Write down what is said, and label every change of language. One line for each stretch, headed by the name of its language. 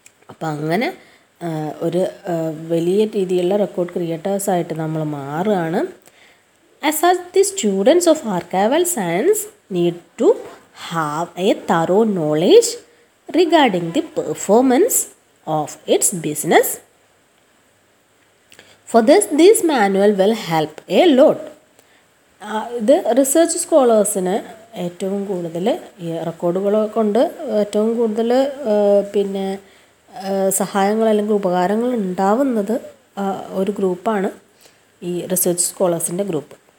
Malayalam: അപ്പം അങ്ങനെ ഒരു വലിയ രീതിയിലുള്ള റെക്കോർഡ് ക്രിയേറ്റേഴ്സ് ആയിട്ട് നമ്മൾ മാറുകയാണ്.
English: As such the students of archival science need to have a thorough knowledge regarding the performance of its business. For this, this manual will help a lot.
Malayalam: ഇത് research സ്കോളേഴ്സിന് ഏറ്റവും കൂടുതൽ ഈ റെക്കോർഡുകളെ കൊണ്ട് ഏറ്റവും കൂടുതൽ പിന്നെ സഹായങ്ങൾ അല്ലെങ്കിൽ ഉപകാരങ്ങൾ ഉണ്ടാവുന്നത് ഒരു ഗ്രൂപ്പാണ് ഈ റിസർച്ച് സ്കോളേഴ്സിൻ്റെ ഗ്രൂപ്പ്.